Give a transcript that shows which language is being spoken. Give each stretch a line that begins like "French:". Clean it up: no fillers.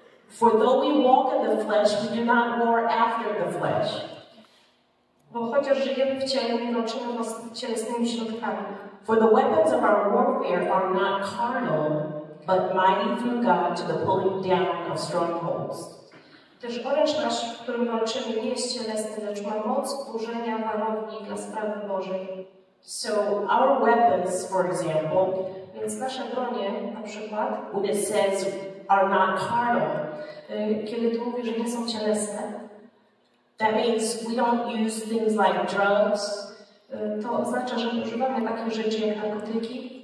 English: For though we walk in the flesh, we do not war after the flesh.
Polish: Bo chociaż żyjemy w ciele, nie walczymy z cielesnymi środkami.
English: For the weapons of our warfare are not carnal, but mighty through God to the pulling down of strongholds.
Polish: Też oręż nasz, w którym walczymy, nie jest cielesny, lecz ma moc burzenia warowni dla sprawy Bożej.
English: So our weapons, for example,
Polish: więc nasze bronie, na przykład,
English: when it says, are not carnal,
Polish: kiedy tu mówi, że nie są cielesne,
English: that means we don't use things like drugs,
Polish: to oznacza, że nie używamy takich rzeczy jak narkotyki,